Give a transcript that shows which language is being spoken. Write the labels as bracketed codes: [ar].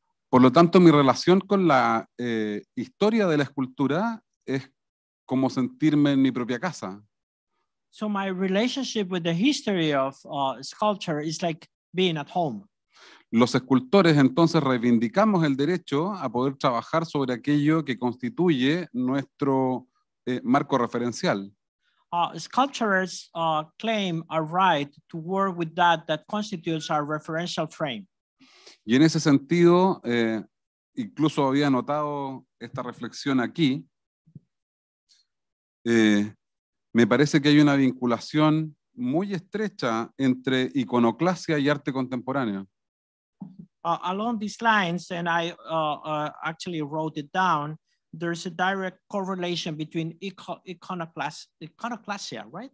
[es] Por lo tanto, mi relación con la historia de la escultura es como sentirme en mi propia casa. [en] So my relationship with the history of sculpture is like being at home. [es] Los escultores entonces reivindicamos el derecho a poder trabajar sobre aquello que constituye nuestro marco referencial. [en] Sculptors claim a right to work with that constitutes our referential frame. [es] Y en ese sentido, incluso había anotado esta reflexión aquí, me parece que hay una vinculación muy estrecha entre iconoclasia y arte contemporáneo. [en] Along these lines, and I actually wrote it down, there's a direct correlation between iconoclasia, right?